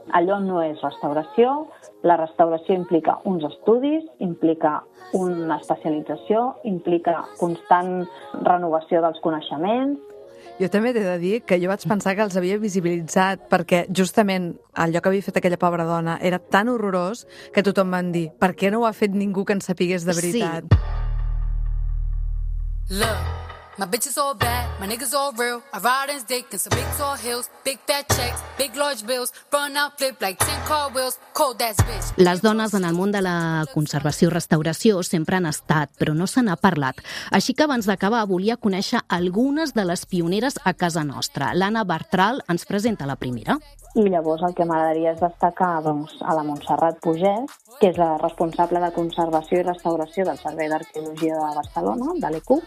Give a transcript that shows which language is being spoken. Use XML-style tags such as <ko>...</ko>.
<ca>Allò no és restauració, la restauració implica uns estudis, implica una especialització, implica constant renovació dels coneixements. Jo també t'he de dir que jo vaig pensar que els havia visibilitzat perquè justament allò que havia fet aquella pobra dona era tan horrorós que tothom van dir per què no ho ha fet ningú que en sapigués de veritat. Sí.</ca> <en>Look, my bitch is all bad, my niggas all real, I ride in his dick in some big tall hills, big fat checks, big large bills, run out flip like 10 car wheels, cold ass bitch.</en> <ca>Les dones en el món de la conservació-restauració sempre han estat, però no se n'ha parlat. Així que abans d'acabar volia conèixer algunes de les pioneres a casa nostra. L'Anna Bartral ens presenta la primera. I llavors el que m'agradaria és destacar doncs, a la Montserrat Pugès, que és la responsable de conservació i restauració del Servei d'Arqueologia de Barcelona, de l'ECU.</ca>